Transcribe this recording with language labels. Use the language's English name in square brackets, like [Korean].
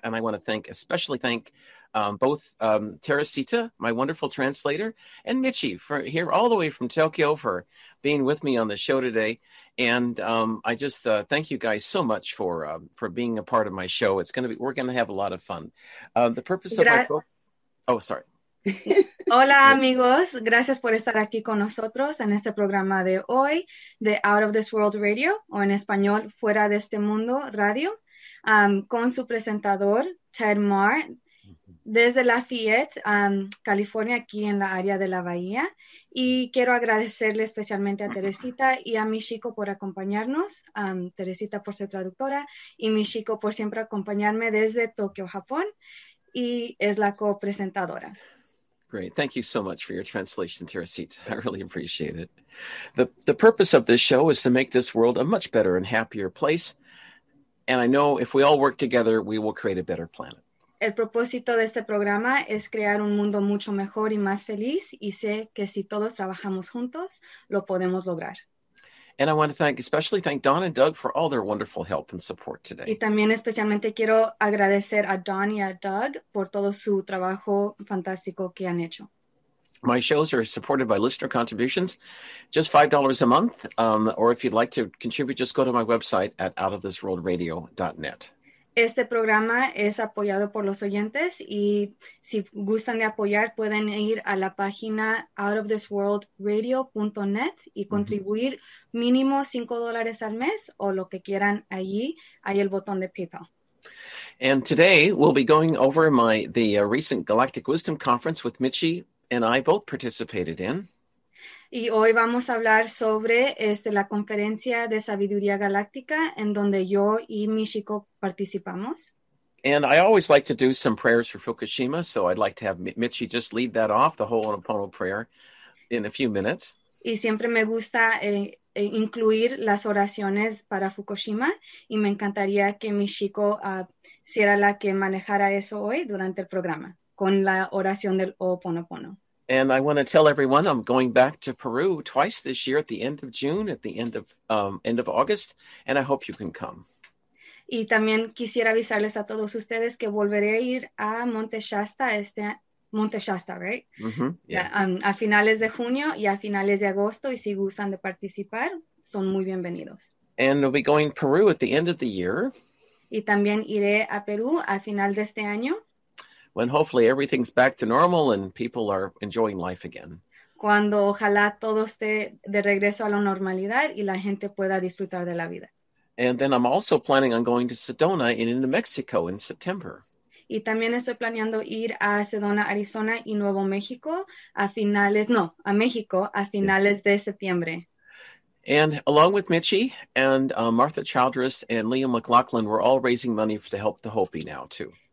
[English] And I want to especially thank both Teresita, my wonderful translator, and Michi for here all the way from Tokyo for being with me on the show today. And I just thank you guys so much for being a part of my show. We're going to have a lot of fun. The purpose of my program. Oh, sorry. [Spanish] Hola amigos, gracias por estar aquí con nosotros en este programa de hoy de Out of This World Radio, o en español Fuera de Este Mundo Radio, con su presentador Ted Marr desde Lafayette, California, aquí en la área de la Bahía. Y quiero agradecerle especialmente a Teresita y a Michiko por acompañarnos, Teresita por ser traductora y Michiko por siempre acompañarme desde Tokio, Japón, y es la copresentadora. [English] Great. Thank you so much for your translation, Teresita. I really appreciate it. The purpose of this show is to make this world a much better and happier place. And I know if we all work together, we will create a better planet. [Spanish] El propósito de este programa es crear un mundo mucho mejor y más feliz. Y sé que si todos trabajamos juntos, lo podemos lograr. [English] And I want to especially thank Don and Doug for all their wonderful help and support today. [Spanish] Y también especialmente quiero agradecer a Don y a Doug por todo su trabajo fantástico que han hecho. [English] My shows are supported by listener contributions, just $5 a month. Or if you'd like to contribute, just go to my website at outofthisworldradio.net. [Spanish] Este programa es apoyado por los oyentes y si gustan de apoyar pueden ir a la página outofthisworldradio.net y contribuir mínimo $5 al mes o lo que quieran allí, hay el botón de PayPal. [English] And today we'll be going over the recent Galactic Wisdom Conference with Michi and I both participated in. [Spanish] Y hoy vamos a hablar sobre la conferencia de sabiduría galáctica en donde yo y Michiko participamos. [English] And I always like to do some prayers for Fukushima, so I'd like to have Michi just lead that off, the Ho'oponopono prayer, in a few minutes. [Spanish] Y siempre me gusta incluir las oraciones para Fukushima, y me encantaría que Michiko sea la que manejara eso hoy durante el programa, con la oración del Ho'oponopono. [English] And I want to tell everyone I'm going back to Peru twice this year at the end of June, at the end of August, and I hope you can come. [Spanish] Y también quisiera avisarles a todos ustedes que volveré a ir a Monte Shasta, [English] right? Mm-hmm. Yeah. [Spanish] A finales de junio y a finales de agosto, y si gustan de participar, son muy bienvenidos. [English] And I'll be going to Peru at the end of the year. [Spanish] Y también iré a Perú a final de este año. [English] When hopefully everything's back to normal and people are enjoying life again. [Spanish] Cuando ojalá todo esté de regreso a la normalidad y la gente pueda disfrutar de la vida. [English] And then I'm also planning on going to Sedona in New Mexico in September. [Spanish] Y también estoy planeando ir a Sedona, Arizona y Nuevo México a México a finales de septiembre. [English] And along with Michi and Martha Childress and Leo McLaughlin, we're all raising money to help the Hopi now too.